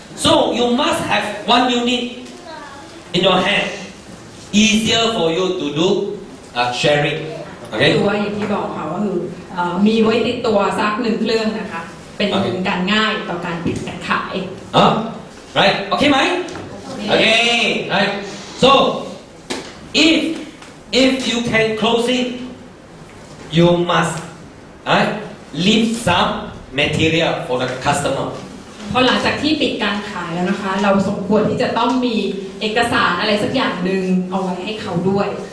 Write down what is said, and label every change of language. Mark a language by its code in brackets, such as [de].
[en] So you must have one unit in your hand. Easier for you to do sharing. Okay. [th] คือว่าอย่างที่บอกค่ะว่าคือมีไว้ติดตัวสักหนึ่งเครื่องนะคะเป็นการง่ายต่อการติดการขาย [en] Right. Okay, ไหม Okay. Right. So if you can close it you must leave some material for the customer [th] พอหลังจากที่ปิดการขายแล้วนะคะเราสมควรที่จะต้องมีเอกสารอะไรสักอย่างนึงเอาไว้ให้เขาด้วย